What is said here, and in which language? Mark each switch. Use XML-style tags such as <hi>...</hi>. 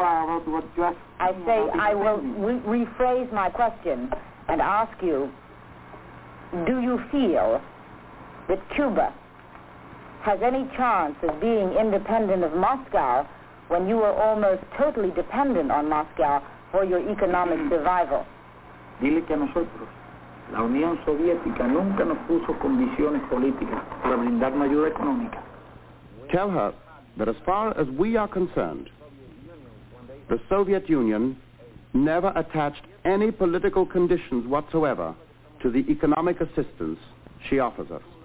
<en>I say I will rephrase my question and ask you, do you feel that Cuba has any chance of being independent of Moscow when you are almost totally dependent on Moscow for your economic survival?</en> <es>Dile que nosotros. La Unión Soviética nunca nos puso condiciones políticas para brindar una ayuda económica.</es> <en>Tell her that as far as we are concerned, the Soviet Union never attached any political conditions whatsoever to the economic assistance she offers us.</en>